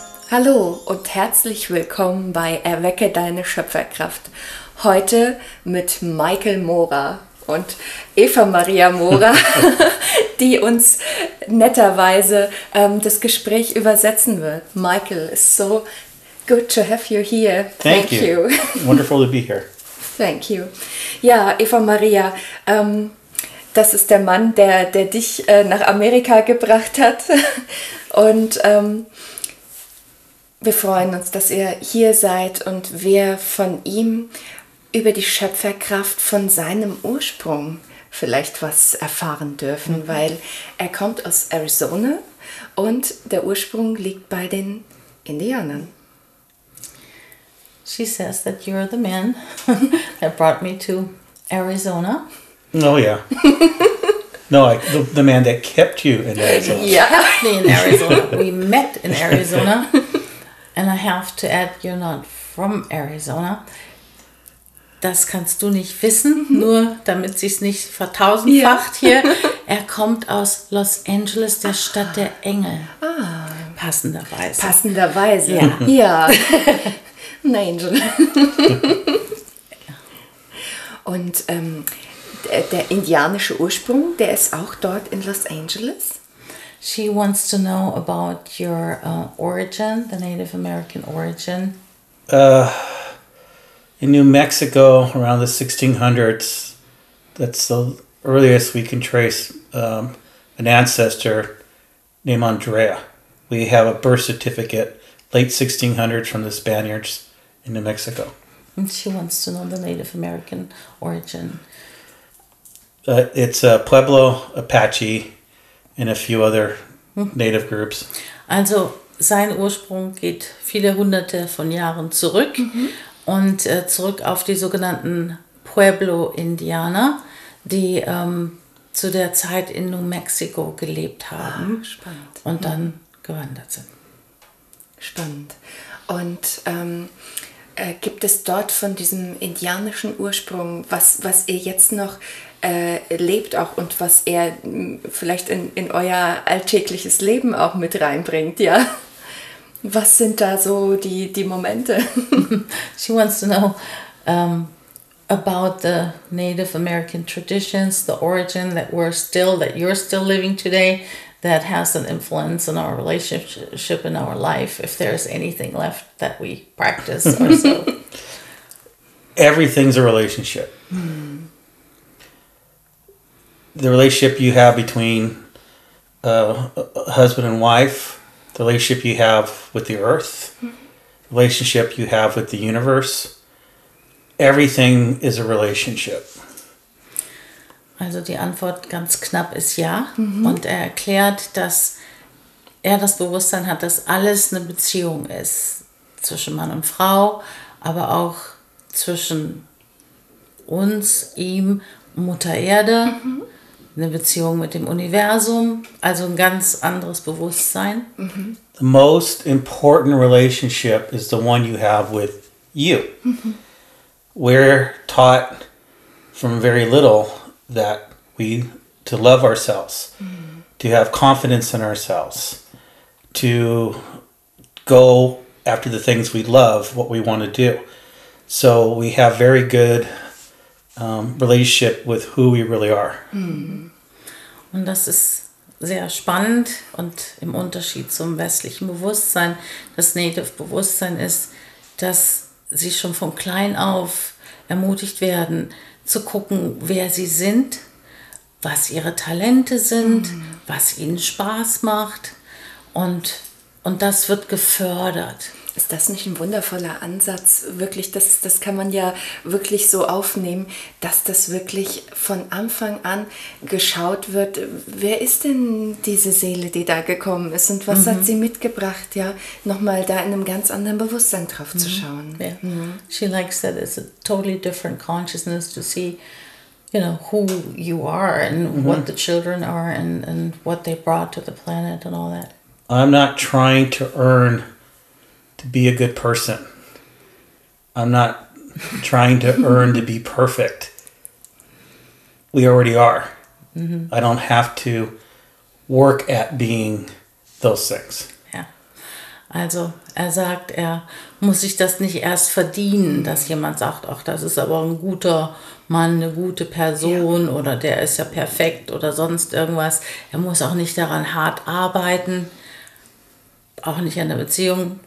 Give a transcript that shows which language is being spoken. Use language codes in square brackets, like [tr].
[de] Hallo und herzlich willkommen bei Erwecke deine Schöpferkraft. Heute mit Michael Mora und Eva Maria Mora, die uns netterweise das Gespräch übersetzen wird. [en] Michael, it's so good to have you here. Thank you. Wonderful to be here. Thank you. [de] Ja, Eva Maria, das ist der Mann, der dich nach Amerika gebracht hat. Und wir freuen uns, dass ihr hier seid und wir von ihm über die Schöpferkraft von seinem Ursprung vielleicht was erfahren dürfen, weil er kommt aus Arizona und der Ursprung liegt bei den Indianern. [en] She says that you're the man that brought me to Arizona. Oh yeah. No, the man that kept you in Arizona. Yeah, in Arizona. We met in Arizona. And I have to add, you're not from Arizona. [de] Das kannst du nicht wissen, nur damit sich's nicht vertausendfacht hier. Er kommt aus Los Angeles, der Stadt der Engel. Ah. Passenderweise. Passenderweise, ja. Ja. Ein Angel. Und der indianische Ursprung, der ist auch dort in Los Angeles. [en] She wants to know about your origin, the Native American origin. In New Mexico, around the 1600s, that's the earliest we can trace an ancestor named Andrea. We have a birth certificate, late 1600s, from the Spaniards in New Mexico. And she wants to know the Native American origin. It's a Pueblo Apache and a few other native groups. [de] Also, sein Ursprung geht viele hunderte von Jahren zurück und zurück auf die sogenannten Pueblo-Indianer, die zu der Zeit in New Mexico gelebt haben und dann gewandert sind. Spannend. Und gibt es dort von diesem indianischen Ursprung, was ihr jetzt noch lebt auch und was er vielleicht in euer alltägliches Leben auch mit reinbringt, ja? Was sind da so die Momente? [en] She wants to know about the Native American traditions, the origin that you're still living today, that has an influence on our relationship in our life, if there's anything left that we practice or so. Everything's a relationship. The relationship you have between a husband and wife, the relationship you have with the earth, the relationship you have with the universe, everything is a relationship. [de] Also die Antwort ganz knapp ist ja. Mhm. Und er erklärt, dass er das Bewusstsein hat, dass alles eine Beziehung ist zwischen Mann und Frau, aber auch zwischen uns, ihm, Mutter Erde. Mhm. Eine Beziehung mit dem Universum, also ein ganz anderes Bewusstsein. [en] The most important relationship is the one you have with you. We're taught from very little that we to love ourselves, to have confidence in ourselves, to go after the things we love, what we want to do. So we have very good relationship with who we really are. [de] Und das ist sehr spannend und im Unterschied zum westlichen Bewusstsein, das Native-Bewusstsein ist, dass sie schon von klein auf ermutigt werden, zu gucken, wer sie sind, was ihre Talente sind, was ihnen Spaß macht und das wird gefördert. Ist das nicht ein wundervoller Ansatz? Wirklich, das kann man ja wirklich so aufnehmen, dass das wirklich von Anfang an geschaut wird, wer ist denn diese Seele, die da gekommen ist und was hat sie mitgebracht, ja, nochmal da in einem ganz anderen Bewusstsein drauf zu schauen. [en] Yeah. She likes that it's a totally different consciousness to see, you know, who you are and what the children are and what they brought to the planet and all that. I'm not trying to earn to be a good person. I'm not trying to earn to be perfect. We already are. Mm-hmm. I don't have to work at being those things. Yeah. [de] Also er sagt, er muss sich das nicht erst verdienen, dass jemand sagt, ach, das ist aber ein guter Mann, eine gute Person, ja, oder der ist ja perfekt oder sonst irgendwas. Er muss auch nicht daran hart arbeiten, auch nicht an der Beziehung.